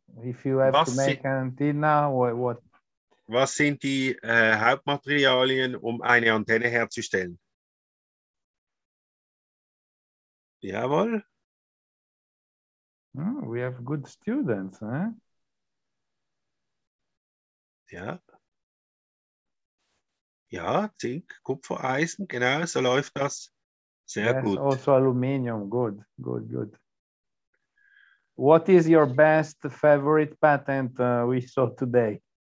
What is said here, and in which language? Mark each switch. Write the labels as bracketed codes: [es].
[en] If you have was to make an antenna, what? [de] Was sind die Hauptmaterialien, um eine Antenne herzustellen? Jawohl. [en] We have good students, eh? [de] Ja, Zink, Kupfer, Eisen, genau, so läuft das. Sehr gut. [en] Also Aluminium, good. What is your best favorite patent we saw today?